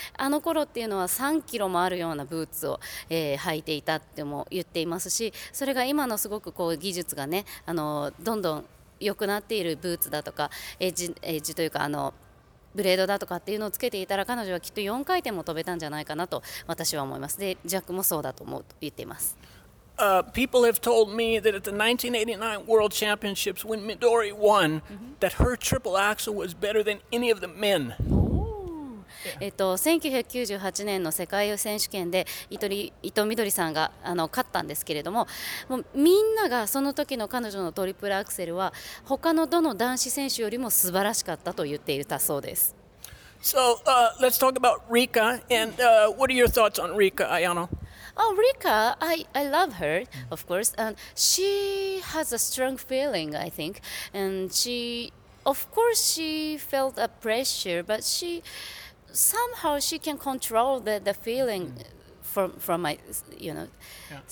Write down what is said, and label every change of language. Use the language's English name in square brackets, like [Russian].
[Japanese] あの頃っていうのは3キロもあるようなブーツを、履いていたっても言っていますし、それが今のすごくこう技術がね、あのどんどん良くなっているブーツだとかエッジというかあのブレードだとかっていうのをつけていたら、彼女はきっと4回転も飛べたんじゃないかなと私は思います。でジャックもそうだと思うと言っています。 [English] People have told me that at the 1989 World Championships when Midori won、mm-hmm. that her triple axel was better than any of the men、 yeah. [Japanese] 1998年の世界選手権で伊藤みどりさんがあの勝ったんですけれど も, もうみんながその時の彼女のトリプルアクセルは他のどの男子選手よりも素晴らしかったと言っていたそうです。 [English] So、let's talk about Rika and、what are your thoughts on Rika Ayano? Oh Rika, I love her of course and she has a strong feeling I think and she of course she felt a pressure but sheSomehow she can control the feeling from my you know、yeah.